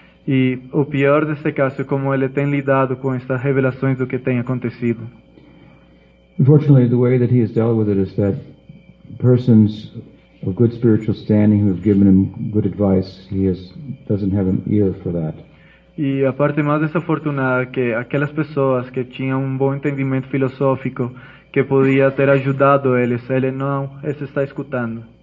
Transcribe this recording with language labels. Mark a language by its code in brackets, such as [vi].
[pt] E o pior desse caso é como ele tem lidado com estas revelações do que tem acontecido. [en] Unfortunately, the way that he has dealt with it is that persons of good spiritual standing who have given him good advice, doesn't have an ear for that. [pt] E a parte mais desafortunada que aquelas pessoas que tinham bom entendimento filosófico que podia ter ajudado eles, ele não se está escutando.